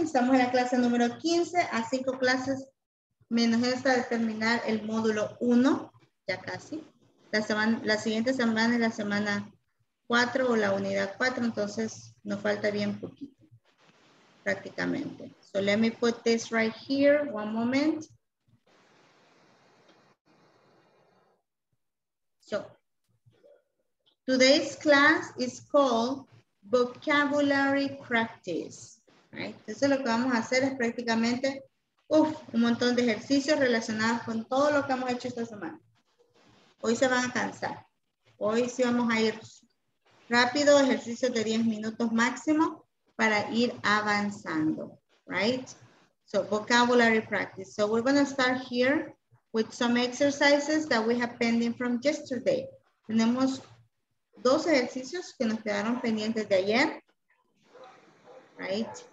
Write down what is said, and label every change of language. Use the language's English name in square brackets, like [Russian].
[Spanish] Estamos en la clase número 15, a 5 clases menos esta de terminar el módulo 1, ya casi. La siguiente semana es la semana 4 o la unidad 4, entonces nos falta bien poquito, prácticamente. [English] So let me put this right here, one moment. So, today's class is called Vocabulary Practice. Right? [Spanish] Entonces lo que vamos a hacer es prácticamente un montón de ejercicios relacionados con todo lo que hemos hecho esta semana. Hoy se van a cansar. Hoy sí vamos a ir rápido, ejercicios de 10 minutos máximo para ir avanzando, right? [English] So, vocabulary practice. So, we're going to start here with some exercises that we have pending from yesterday. [Spanish] Tenemos dos ejercicios que nos quedaron pendientes de ayer, right?